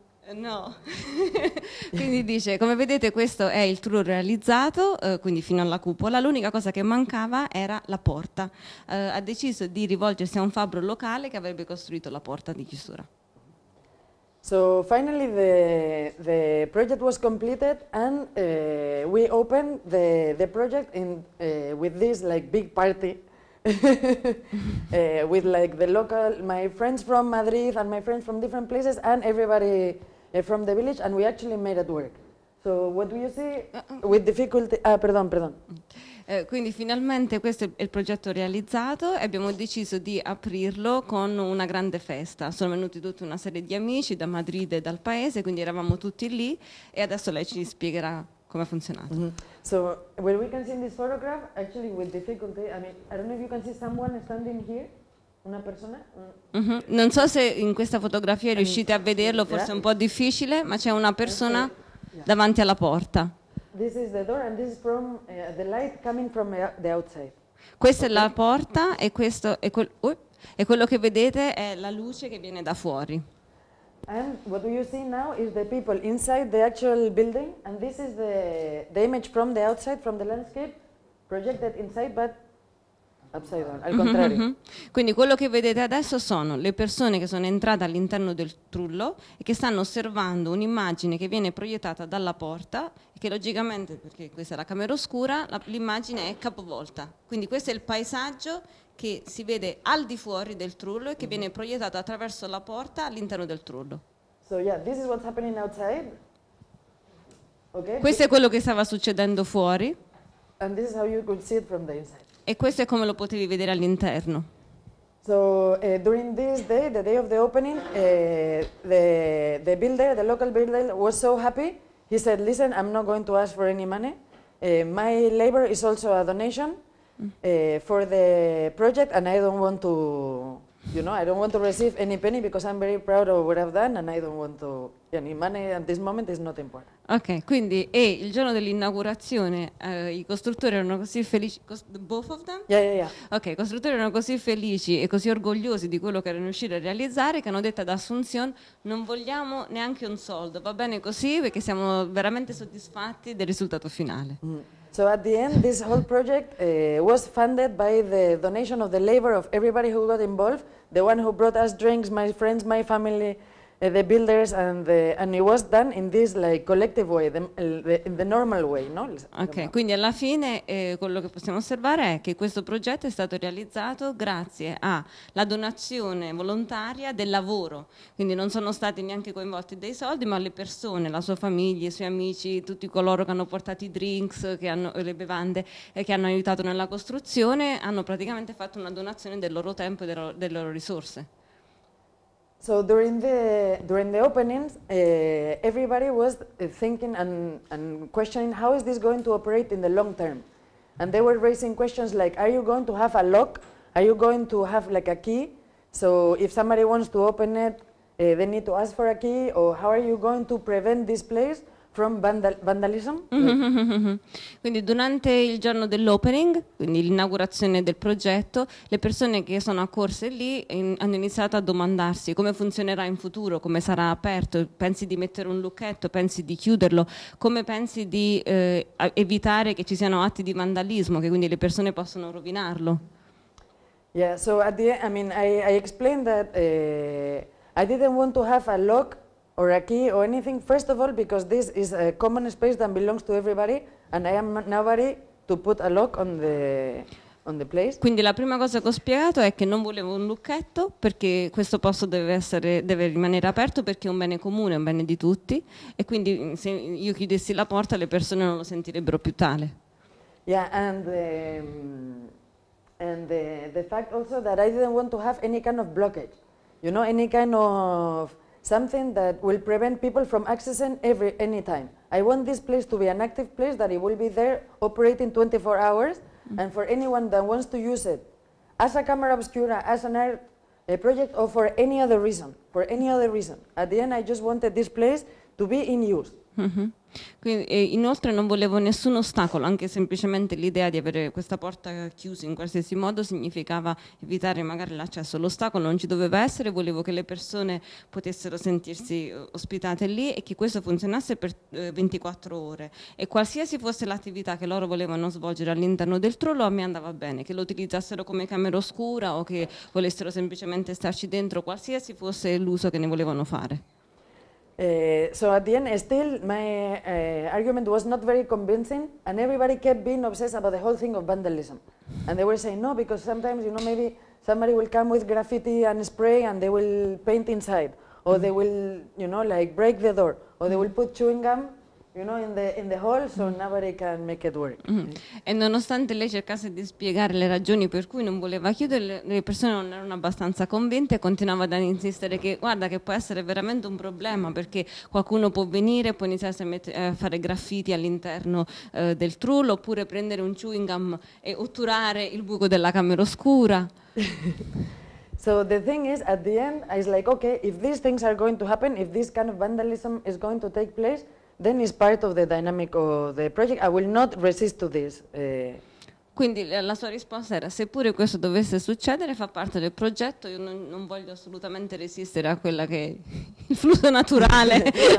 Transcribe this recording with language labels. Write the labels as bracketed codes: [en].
[it] No, quindi dice, come vedete questo è il trullo realizzato, quindi fino alla cupola, l'unica cosa che mancava era la porta. Ha deciso di rivolgersi a un fabbro locale che avrebbe costruito la porta di chiusura. [en] So finally the project was completed, and we opened the project in with this like big party. with like the local, my friends from Madrid and my friends from different places, and everybody from the village, and we actually made it work. So what do you see with difficulty? [es] Perdon. [it] Quindi finalmente questo è il progetto realizzato, e abbiamo deciso di aprirlo con una grande festa. Sono venuti tutta una serie di amici da Madrid e dal paese, quindi eravamo tutti lì, e adesso lei ci spiegherà come ha funzionato. [en] So when we can see in this photograph, actually with difficulty, I mean, I don't know if you can see someone standing here. [it] Una persona? Mm-hmm. Non so se in questa fotografia riuscite a vederlo, forse è un po' difficile, ma c'è una persona davanti alla porta. [en] This is the door, and this is from the light coming from the outside. [it] Questa è la porta, e questo è quello che vedete è la luce che viene da fuori. [en] And what do you see now is the people inside the actual building, and this is the image from the outside, from the landscape, projected inside, but [it] al contrario. Mm-hmm. Quindi quello che vedete adesso sono le persone che sono entrate all'interno del trullo e che stanno osservando un'immagine che viene proiettata dalla porta, e che logicamente, perché questa è la camera oscura, l'immagine è capovolta. Quindi questo è il paesaggio che si vede al di fuori del trullo e che viene proiettato attraverso la porta all'interno del trullo. [en] So yeah, this is what's happening outside. Okay. [it] Questo è quello che stava succedendo fuori. [en] And this is how you could see it from the inside. [it] E questo è come lo potevi vedere all'interno. [en] So during this day, the day of the opening, the builder, the local builder, was so happy. He said, "Listen, I'm not going to ask for any money. My labor is also a donation for the project, and I don't want to, you know, I don't want to receive any penny because I'm very proud of what I've done, and I don't want to." [it] Okay, quindi e il giorno dell'inaugurazione i costruttori erano così felici, [en] both of them? Yeah, yeah, yeah. [it] Okay, i costruttori erano così felici e così orgogliosi di quello che erano riusciti a realizzare che hanno detto ad Assunzione: non vogliamo neanche un soldo, va bene così perché siamo veramente soddisfatti del risultato finale. Mm. [en] So at the end this whole project was funded by the donation of the labor of everybody who got involved, the one who brought us drinks, my friends, my family, the builders, and it was done in this like collective way, the normal way, no? [it] Ok, quindi alla fine quello che possiamo osservare è che questo progetto è stato realizzato grazie alla donazione volontaria del lavoro, quindi non sono stati neanche coinvolti dei soldi, ma le persone, la sua famiglia, i suoi amici, tutti coloro che hanno portato i drinks, che hanno le bevande che hanno aiutato nella costruzione, hanno praticamente fatto una donazione del loro tempo e delle loro risorse. [en] So during the opening, everybody was thinking and questioning how is this going to operate in the long term, and they were raising questions like, are you going to have a lock? Are you going to have like a key? So if somebody wants to open it, they need to ask for a key, or how are you going to prevent this place from vandalism? [it] Quindi durante il giorno dell'opening, quindi l'inaugurazione del progetto, le persone che sono accorse lì hanno iniziato a domandarsi come funzionerà in futuro, come sarà aperto, pensi di mettere un lucchetto, pensi di chiuderlo, come pensi di evitare che ci siano atti di vandalismo, che quindi le persone possono rovinarlo. [en] Yeah, so at the end, I mean I explained that I didn't want to have a lock or a key or anything, first of all, because this is a common space that belongs to everybody and I am nobody to put a lock on the place. [it] Quindi la prima cosa che ho spiegato è che non volevo un lucchetto perché questo posto deve rimanere aperto perché è un bene comune, è un bene di tutti, e quindi se io chiudessi la porta le persone non lo sentirebbero più tale. [en] Yeah, and the fact also that I didn't want to have any kind of blockage, you know, any kind of something that will prevent people from accessing any time. I want this place to be an active place, that it will be there operating 24 hours, mm-hmm. and for anyone that wants to use it as a camera obscura, as an art project, or for any other reason, for any other reason. At the end, I just wanted this place to be in use. Mm-hmm. [it] Quindi, inoltre non volevo nessun ostacolo, anche semplicemente l'idea di avere questa porta chiusa in qualsiasi modo significava evitare magari l'accesso. L'ostacolo non ci doveva essere, volevo che le persone potessero sentirsi ospitate lì e che questo funzionasse per 24 ore, e qualsiasi fosse l'attività che loro volevano svolgere all'interno del trullo a me andava bene, che lo utilizzassero come camera oscura o che volessero semplicemente starci dentro, qualsiasi fosse l'uso che ne volevano fare. [en] So at the end, still, my argument was not very convincing, and everybody kept being obsessed about the whole thing of vandalism. And they were saying, no, because sometimes, you know, maybe somebody will come with graffiti and spray and they will paint inside, or mm-hmm. they will, you know, like break the door, or mm-hmm. they will put chewing gum, you know, in the hall, so mm-hmm. nobody can make it work. Mm-hmm. [it] E nonostante lei cercasse di spiegare le ragioni per cui non voleva chiudere, le persone non erano abbastanza convinte e continuava ad insistere che, guarda, che può essere veramente un problema perché qualcuno può venire e può iniziare a fare graffiti all'interno del trullo, oppure prendere un chewing gum e otturare il buco della camera oscura. [en] So the thing is, at the end, I was like, okay, if these things are going to happen, if this kind of vandalism is going to take place, then it's part of the dynamic of the project. I will not resist to this. [it] Quindi la sua risposta era: seppure questo dovesse succedere, fa parte del progetto. Io non voglio assolutamente resistere a quella che è il flusso naturale.